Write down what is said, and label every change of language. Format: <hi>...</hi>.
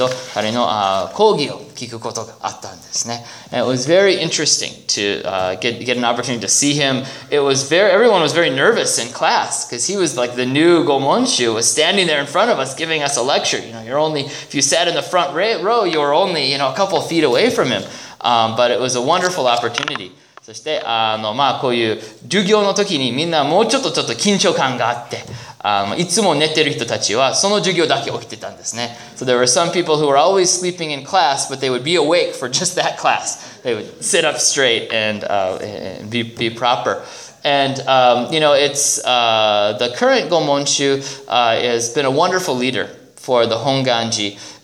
<ja>して、大谷光純様、今度になるゴモンシュなんですけど、中央仏教学院に私がそのゴモンシュの全神門という言い方なんですけど、彼の講義を聞くことがあったんですね。</ja> <en>It was very interesting to get an opportunity to see him. It was very, everyone was very nervous in class because he was like the new Gomonshu, was standing there in front of us giving us a lecture. You know, you're only, if you sat in the front row, you were only, you know, a couple feet away from him. But it was a wonderful opportunity.</en> <ja>そして、こういう授業の時にみんな緊張感があって、いつも寝てる人たちはその授業だけ起きてたんですね。</ja> <en>So there were some people who were always sleeping in class, but they would be awake for just that class. They would sit up straight and be proper. And, you know, it's the current Gomonshu has been a wonderful leader for the Honganji.</en>